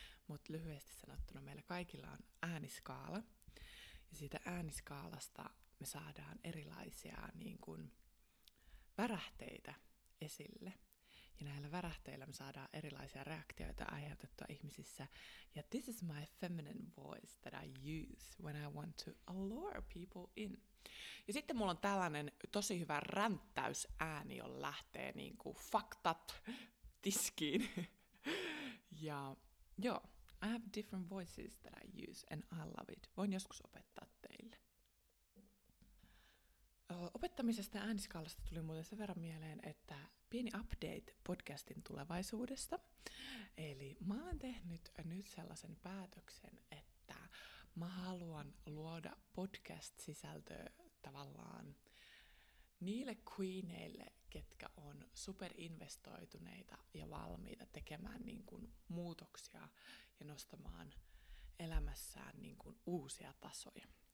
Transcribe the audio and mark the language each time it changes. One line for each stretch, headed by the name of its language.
Finnish: Mutta lyhyesti sanottuna meillä kaikilla on ääniskaala. Ja siitä ääniskaalasta me saadaan erilaisia niin kuin värähteitä esille. Ja näillä värähteillä me saadaan erilaisia reaktioita aiheutettua ihmisissä.
English: Ja this is my feminine voice that I use when I want to allure people in.
Finnish: Ja sitten mulla on tällainen tosi hyvä ränttäysääni, jolla lähtee niin kuin faktat tiskiin.
English: Ja joo, I have different voices that I use and I love it.
Finnish: Voin joskus opettaa teille. Opettamisesta ja ääniskaalasta tuli muuten sen verran mieleen, että pieni update podcastin tulevaisuudesta. Eli mä oon tehnyt nyt sellaisen päätöksen, että mä haluan luoda podcast-sisältöä tavallaan niille queeneille, ketkä on superinvestoituneita ja valmiita tekemään niin kuin muutoksia ja nostamaan elämässään niin kuin uusia tasoja.